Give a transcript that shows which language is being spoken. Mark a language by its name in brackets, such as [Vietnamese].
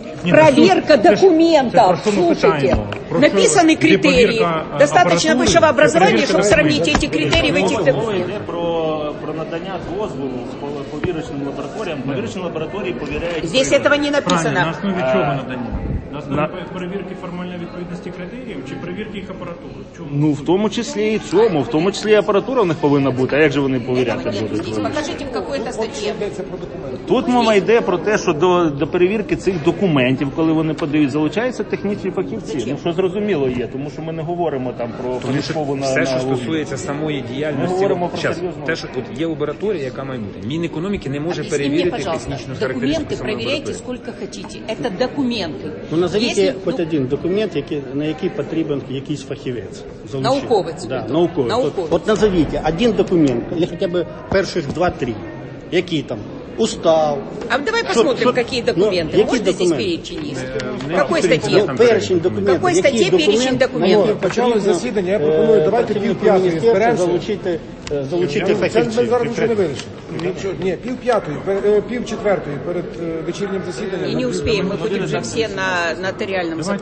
[Russian] Проверка документов, слушайте, написаны критерии, достаточно высшего образования, чтобы сравнить эти критерии в этих документах. [Ukrainian] Про надання дозволу повірочним лабораторіям, повірочні лабораторії повіряють... [Russian] Здесь этого не написано. [Ukrainian] На основі чого надання? На перевірки формальної відповідності критеріїв чи перевірки їх апаратури? Чому? Ну, в тому числі і цьому, в тому числі і апаратура в них повинна бути, а як же вони перевіряти будуть? Покажіть, яка стаття. Тут мова йде про те, що до перевірки цих документів, коли вони подають, залучаються технічні фахівці. Ну, що зрозуміло є, тому що ми не говоримо там про фахівкову на все, що стосується самої діяльності. Ми говоримо про серйозну. Те, що тут є лабораторія, яка має бути. Мінекономіки не може перевірити технічну характеристику. Перевіряйте скільки хочете. Це документи. Ну, назовіть хоч один документ, на який потрібен якийсь фахівець. Науковець. Да, науковець. От назовіть один документ, або хоча б перших 2-3. Які там? Устав. [Russian] А давай посмотрим, какие документы. Ну, можете здесь перечень есть? Какой статьи? Ну, перечень документов. Какой статьи перечень документов? [Ukrainian] Ну, [Russian] началось заседание, [Ukrainian] я пропоную, давайте пів-п'ятої зберемся. Залучити фахівців. Це зараз нічого не вирішить. Ні, пів-п'ятої, пів-четвертої перед вечірнім засіданням. І не успіємо, ми будемо вже всі на нотаріальному законі.